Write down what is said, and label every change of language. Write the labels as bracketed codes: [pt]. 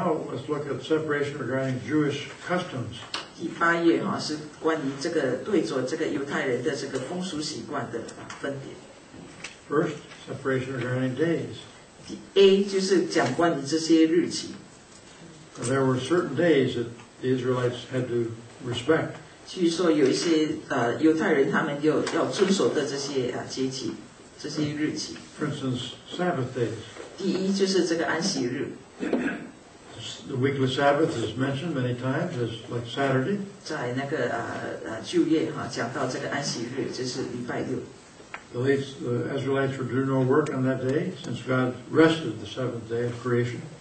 [en] let's look at separation regarding Jewish customs. [zh] 第8页是关于这个对着这个犹太人的这个风俗习惯的分别。 [en] First, separation regarding days. [zh] A 就是讲关于这些日期。 [en] There were certain days that the Israelites had to respect. [zh] 据说有一些犹太人他们要遵守的这些节期，这些日期。 [en] For instance, Sabbath days. [zh] 第一就是这个安息日。 [en] The weekly Sabbath is mentioned many times, as like Saturday. [zh] 在那个旧约讲到这个安息日，就是礼拜六。 [en] The Israelites would do no work on that day, since God rested the seventh day of creation.